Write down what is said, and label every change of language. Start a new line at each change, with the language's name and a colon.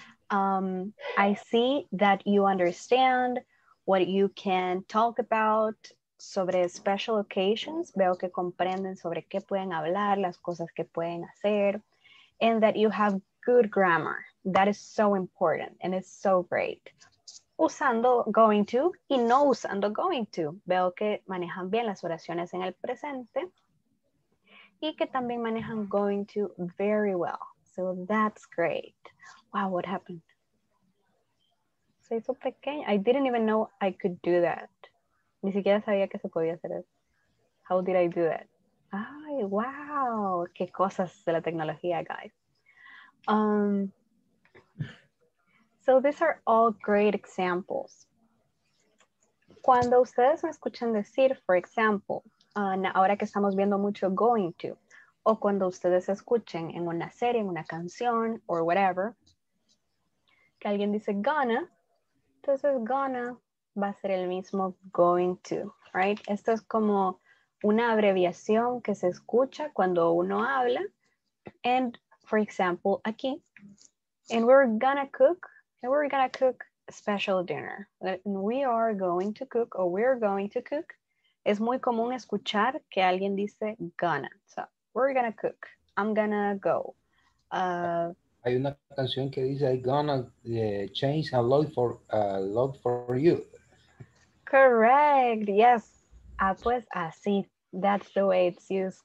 English: I see that you understand what you can talk about
Spanish: sobre special occasions, veo que comprenden sobre qué pueden hablar, las cosas que pueden hacer,
English: and that you have good grammar. That is so important and it's so great.
Spanish: Usando going to y no usando going to. Veo que manejan bien las oraciones en el presente y que también manejan going to
English: very well. So that's great. Wow, what happened?
Spanish: Se hizo pequeño.
English: I didn't even know I could do that.
Spanish: Ni siquiera sabía que se podía hacer eso.
English: How did I do that? Ay, wow.
Spanish: Qué cosas de la tecnología,
English: guys. So these are all great examples.
Spanish: Cuando ustedes me escuchan decir,
English: for example,
Spanish: ahora que estamos viendo mucho going to, o cuando ustedes escuchen en una serie, en una canción,
English: or whatever,
Spanish: que alguien dice gonna, entonces gonna va a ser el mismo going to, right? Esto es como una abreviación que se escucha cuando uno habla.
English: And for example, aquí, and we're gonna cook, and we're gonna cook a special dinner. We are going to cook, or we're going to cook.
Spanish: Es muy común escuchar que alguien dice gonna.
English: So, we're gonna cook. I'm gonna go.
Spanish: Hay una canción que dice,
English: I'm gonna change a lot for you. Correct. Yes. Ah,
Spanish: pues así.
English: Ah, that's the way it's used.